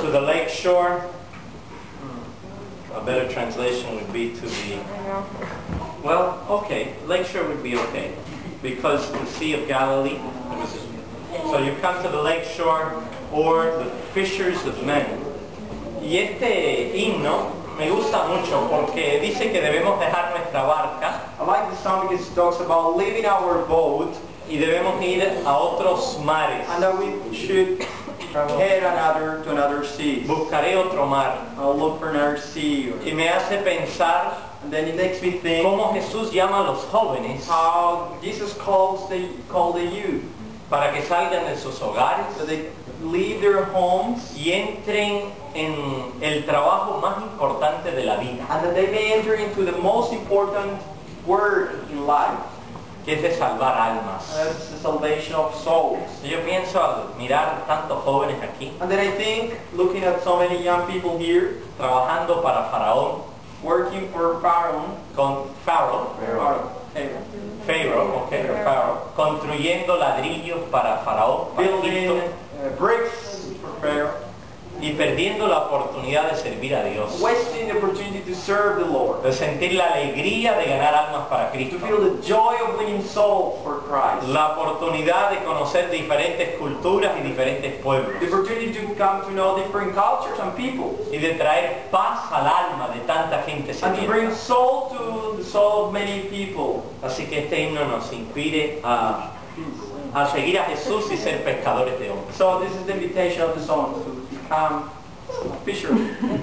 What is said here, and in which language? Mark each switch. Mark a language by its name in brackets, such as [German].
[English] To the Lake Shore. A better translation would be to the... Well, okay. Lake Shore would be okay. Because the Sea of Galilee. So you come to the Lake Shore or the Fishers of Men. [Spanish] Y este himno me gusta mucho porque dice que debemos dejar nuestra barca. [English] I like the song because it talks about leaving our boat. [Spanish] Y debemos ir a otros mares. [English] And that we should head another to another sea. [Spanish] Buscaré otro mar. [English] I'll look for another sea. [Spanish] Y me hace pensar. [English] And then it makes me think. [Spanish] Cómo Jesús llama a los jóvenes. [English] How Jesus calls the youth. [Spanish] Para que salgan de sus hogares. [English] So they leave their homes. [Spanish] Y entren en el trabajo más importante de la vida. [English] And that they may enter into the most important word in life. [Spanish] Que es de salvar almas. [English] That's the salvation of souls. [Spanish] Yo pienso al mirar tantos jóvenes aquí. [English] And then I think, looking at so many young people here. [Spanish] Trabajando para Faraón. [English] Working for Faraón. [Spanish] Con Faraón. Faraón. Faraón. Construyendo ladrillos para Faraón. [English] Building bricks for Faraón. [Spanish] Y perdiendo la oportunidad de servir a Dios. [English] Wasting the opportunity to serve the Lord. [Spanish] De sentir la alegría de ganar almas para Cristo. [English] To feel the joy of winning souls for Christ. [Spanish] La oportunidad de conocer diferentes culturas y diferentes pueblos. [English] The opportunity to come to know different cultures and people. [Spanish] Y de traer paz al alma de tanta gente sedienta. [English] And to bring soul to the soul of many people. [Spanish] Así que este himno nos inspire a... a seguir a Jesús y ser pescadores de hombres. [English] So this is the invitation of the song to become fishermen